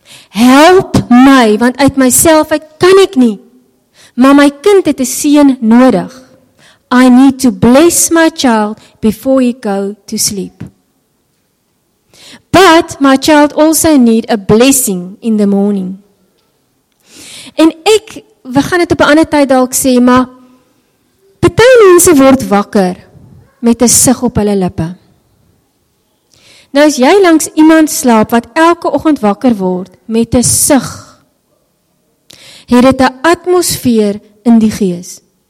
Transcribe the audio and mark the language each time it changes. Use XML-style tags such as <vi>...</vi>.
<af>Help my, want uit myself uit kan ek nie. Maar my kind het 'n seën nodig.</af> <en>I need to bless my child before he go to sleep. But my child also need a blessing in the morning.</en> <af>En ek, we gaan dit op 'n ander tyd dalk sê, maar baie mense word wakker met 'n sug op hulle lippe. Nou as jy langs iemand slaap wat elke oggend wakker word met 'n sug, het dit 'n atmosfeer in die gees.</af>